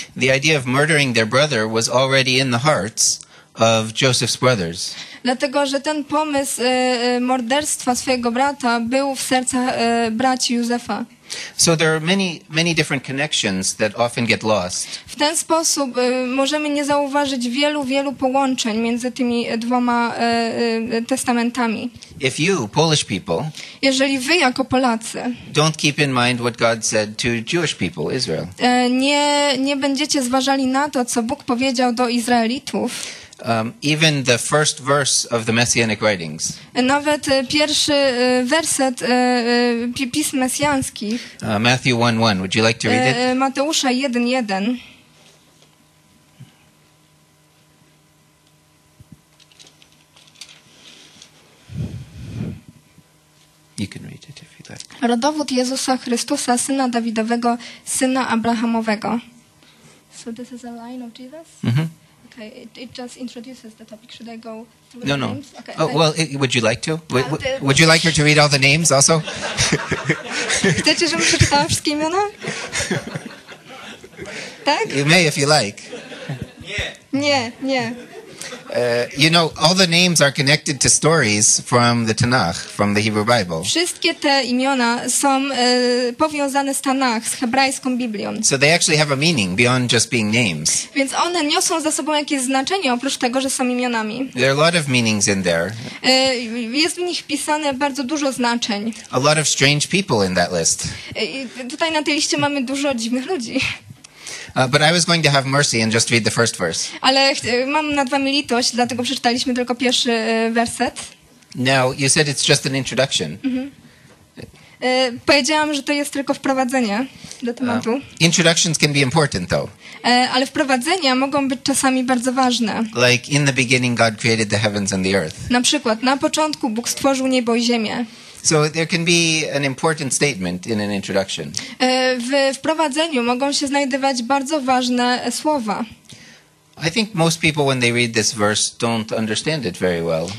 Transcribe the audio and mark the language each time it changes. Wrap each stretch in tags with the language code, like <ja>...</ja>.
<en>The idea of murdering their brother was already in the hearts of Joseph's brothers.</en> <pl>Dlatego, że ten pomysł morderstwa swojego brata był w sercach braci Józefa.</pl> <en>So there are many, many different connections that often get lost.</en> <pl>W ten sposób możemy nie zauważyć wielu, wielu połączeń między tymi dwoma testamentami.</pl> <en>If you, Polish people,</en> <pl>jeżeli wy jako Polacy,</pl> <en>don't keep in mind what God said to Jewish people, Israel,</en> <pl>nie będziecie zważali na to, co Bóg powiedział do Izraelitów.</pl> <en>Even the first verse of the Messianic writings.</en> <pl>Nawet pierwszy werset pism mesjańskich.</pl> <en>Matthew 1:1. Would you like to read it?</en> <pl>Mateusza 1:1.</pl> <en>You can read it if you like.</en> <pl>Rodowód Jezusa Chrystusa, syna Dawidowego, syna Abrahamowego.</pl> <en>So this is a line of Jesus? Mm-hmm. Okay, it just introduces the topic. Should I go through no, the no. names? No, okay, no. Oh, well, would you like to? Would you like her to read all the names also?</en> <pl>Chcecie, żebym przeczytała wszystkie imiona? Tak?</pl> <en>You may, if you like.</en> <pl>Nie. Nie.</pl> <en>You know, all the names are connected to stories from the Tanakh, from the Hebrew Bible.</en> <pl>Wszystkie te imiona są powiązane z Tanakh, z hebrajską Biblią.</pl> <en>So they actually have a meaning beyond just being names.</en> <pl>Więc one niosą za sobą jakieś znaczenie, oprócz tego, że są imionami.</pl> <en>There are a lot of meanings in there.</en> <pl>Jest w nich wpisane bardzo dużo znaczeń.</pl> <en>A lot of strange people in that list.</en> <pl>Tutaj na tej liście mamy dużo dziwnych ludzi.</pl> <en>But I was going to have mercy and just read the first verse.</en> <pl>Ale mam nad wami litość, dlatego przeczytaliśmy tylko pierwszy werset.</pl> <en>Now, you said it's just an introduction. Mm-hmm.</en> <pl>Powiedziałam, że to jest tylko wprowadzenie do tematu.</pl> <en>Introductions can be important, though.</en> <pl>Ale wprowadzenia mogą być czasami bardzo ważne.</pl> <en>Like in the beginning God created the heavens and the earth.</en> <pl>Na przykład, na początku Bóg stworzył niebo i ziemię.</pl> <en>So there can be an important statement in an introduction.</en> <pl>W wprowadzeniu mogą się znajdować bardzo ważne słowa.</pl> <en>I think most people when they read this verse don't understand it very well.</en>